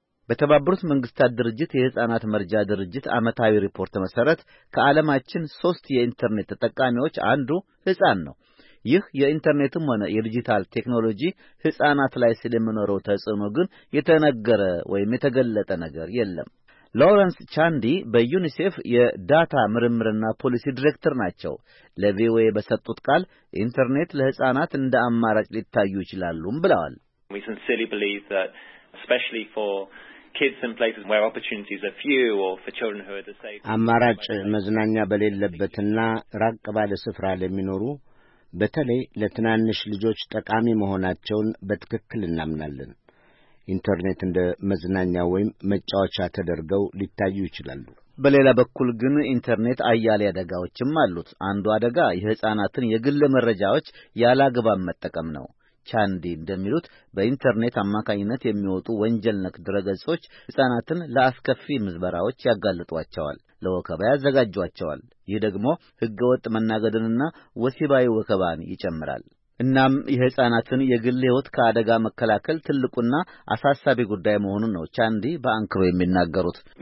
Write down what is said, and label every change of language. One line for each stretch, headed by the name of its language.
Amharic: በተባበሩት መንግስታት ድርጅት የሕፃናት መርጃ ድርጅት ዓመታዊ ሪፖርት መሰረት ከዓለማችን 3 የኢንተርኔት ተጠቃሚዎች አንዱ ሕፃን ነው። ይህ የኢንተርኔትም ሆነ የዲጂታል ቴክኖሎጂ ሕፃናት ላይ ስለሚኖረው ተጽዕኖ ግን የተነገረ ወይም የተገለጠ ነገር የለም። ሎረንስ ቻንዲ በዩኒሴፍ የዳታ ምርምርና ፖሊሲ ዲሬክተር ናቸው። ለቪኦኤ በሰጡት ቃል ኢንተርኔት ለሕፃናት እንደ አማራጭ ሊታዩ ይችላሉም ብለዋል።
English: especially for kids in places where opportunities are few or for children who are disabled
Amharic: አማራጭ መዝናኛ በሌለበትና ራቅ ባለ ስፍራ ለሚኖሩ በተለይ ለትናንሽ ልጆች ጠቃሚ መሆናቸውን በትክክል እናምናለን። ኢንተርኔት እንደ መዝናኛ ወይም መጫወቻ ተደርገው ሊታዩ ይችላሉ። በሌላ በኩል ግን ኢንተርኔት አያሌ አደጋዎችም አሉት። አንዱ አደጋ የሕፃናትን የግል መረጃዎች ያላግባብ መጠቀም ነው። ቻንዲ እንደሚሉት በኢንተርኔት አማካኝነት የሚወጡ ወንጀል ነክ ድረገጾች ሕፃናትን ለአስከፊ ምዝበራዎች ያጋልጧቸዋል፣ ለወከባ ያዘጋጇቸዋል። ይህ ደግሞ ሕገወጥ መናገድንና ወሲባዊ ወከባን ይጨምራል። እናም የሕፃናትን የግል ሕይወት ከአደጋ መከላከል ትልቁና አሳሳቢ ጉዳይ መሆኑን ነው ቻንዲ በአንክሮ የሚናገሩት።